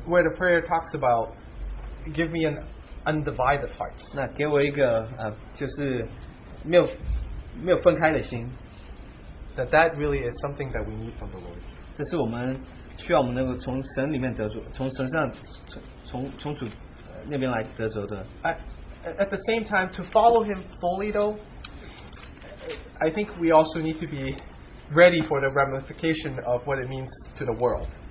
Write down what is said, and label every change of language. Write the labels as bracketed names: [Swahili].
[English] where the prayer talks about give me an undivided heart. [Chinese] 那给我一个, 就是没有分开的心, [English] that really is something that we need from the Lord. [Chinese] 这是我们需要我们能够从神里面得着，从神上，从主那边来得着的。 [English] At the same time, to follow him fully though, I think we also need to be ready for the ramification of what it means to the world.